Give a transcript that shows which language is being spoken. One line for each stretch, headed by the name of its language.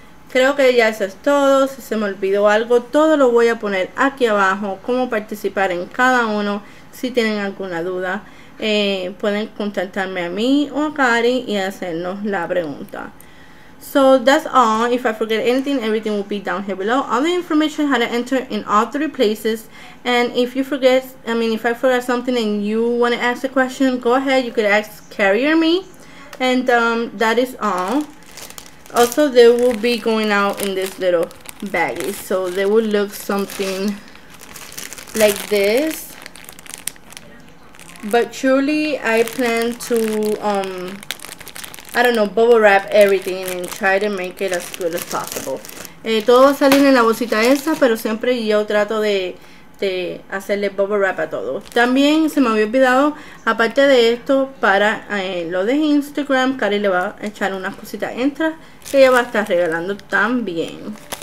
Spanish: Creo que ya eso es todo. Si se me olvidó algo, todo lo voy a poner aquí abajo, cómo participar en cada uno. Si tienen alguna duda, pueden contactarme a mí o a Cari y hacernos la pregunta.
English: So that's all. If I forget anything, everything will be down here below. All the information, how to enter in all three places. And if you forget, if I forgot something and you want to ask a question, go ahead. You could ask Carrie or me. And that is all. Also, they will be going out in this little baggie. So they will look something like this. But truly, I plan to, bubble wrap everything and try to make it as good as possible.
Spanish: Todo va a salir en la bolsita esa, pero siempre yo trato de hacerle bubble wrap a todo. También se me había olvidado, aparte de esto, para lo de Instagram, Cari le va a echar unas cositas extra que ella va a estar regalando también.